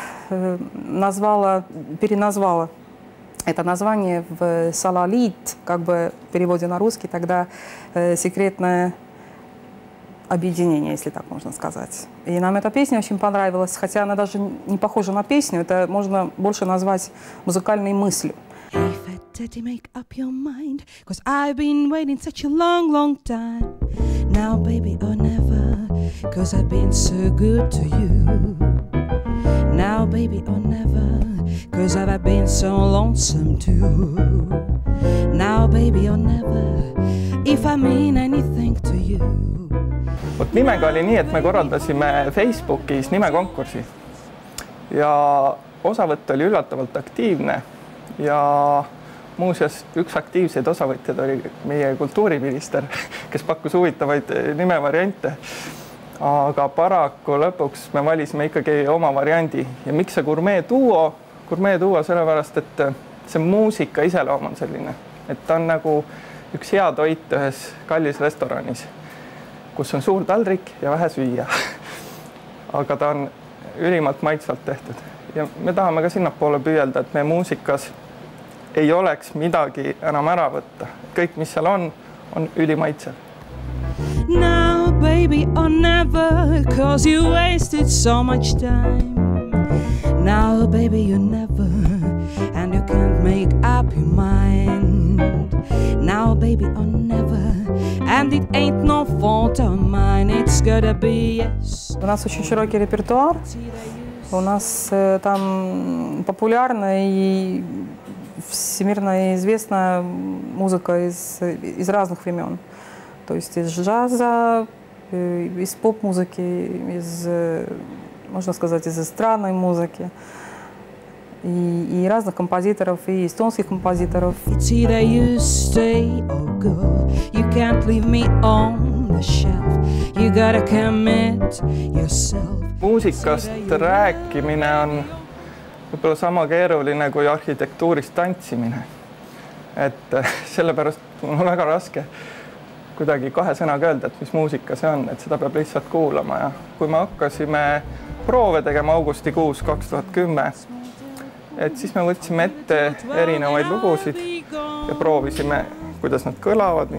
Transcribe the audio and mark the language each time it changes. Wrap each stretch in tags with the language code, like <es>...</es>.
<ru>Переназвала это название в «Салалит», как бы в переводе на русский, тогда «Секретное объединение», если так можно сказать. И нам эта песня очень понравилась, хотя она даже не похожа на песню, это можно больше назвать музыкальной мыслью.</ru> <en>Daddy, make up your mind, 'cause I've been waiting such a long, long time. Now, baby, or never, 'cause I've been so good to you. Now, baby, or never, 'cause I've been so lonesome too. Now, baby, or never, if I mean anything to you.</en> <et>Vot nimega oli nii, et me korraldasime Facebookis nimekonkursi. Ja osavõtt oli üllatavalt aktiivne. Ja muuseas, üks aktiivseid osavõtjad oli meie kultuuriminister, kes pakkus huvitavaid nimevariante. Aga paraku lõpuks me valisime ikkagi oma variandi. Ja miks see Gourmet Duo? Gourmet Duo sellepärast, et see muusika iseloom on selline. Et ta on nagu üks hea toit ühes kallis restoranis, kus on suur taldrik ja vähe süüa. Aga ta on ülimalt maitsvalt tehtud. Ja me tahame ka sinna poole püüelda, et meie muusikas ei oleks midagi enam ära võtta. Kõik, mis seal on, on ülimaitsev.</et> <en>Now, baby, or never, 'cause you wasted so much time. Now, baby, you never, and you can't make up your mind. Now, baby, or never, and it ain't no fault of mine, it's gonna be yes.</en> <ru>У нас очень широкий репертуар. У нас там популярно и всемирно известная музыка из разных времен. То есть из джаза, из поп-музыки, из, можно сказать, из эстрадной музыки. И разных композиторов, и эстонских композиторов.</ru> <en>It's either you stay or go. You can't leave me on the shelf. You gotta commit yourself.</en> <et>Muusikast rääkimine on võib-olla sama keeruline kui arhitektuurist tantsimine. Et sellepärast on väga raske kuidagi kahe sõnaga öelda, et mis muusika see on, et seda peab lihtsalt kuulama. Ja kui me hakkasime proove tegema augustikuus 2010, et siis me võtsime ette erinevaid lugusid ja proovisime, kuidas nad kõlavad.</et>